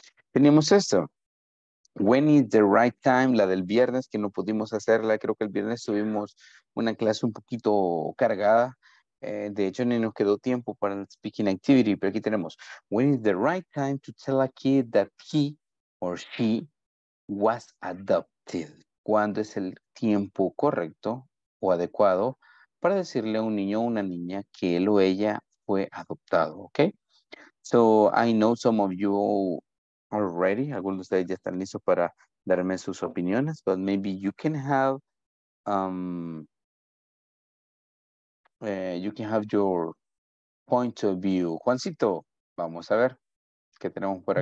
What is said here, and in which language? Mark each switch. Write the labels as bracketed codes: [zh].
[es] Teníamos esto. [en] When is the right time? [es] La del viernes, que no pudimos hacerla. Creo que el viernes tuvimos una clase un poquito cargada. De hecho, ni nos quedó tiempo para el speaking activity. Pero aquí tenemos. [en] When is the right time to tell a kid that he or she was adopted? [es] ¿Cuándo es el tiempo correcto o adecuado para decirle a un niño o una niña que él o ella fue adoptado? [en] ¿Ok? So, I know some of you already, [es] algunos de ustedes ya están listos para [en] darme sus opiniones, but maybe you can have you can have your point of view. [es] Juancito, vamos a ver qué tenemos por acá.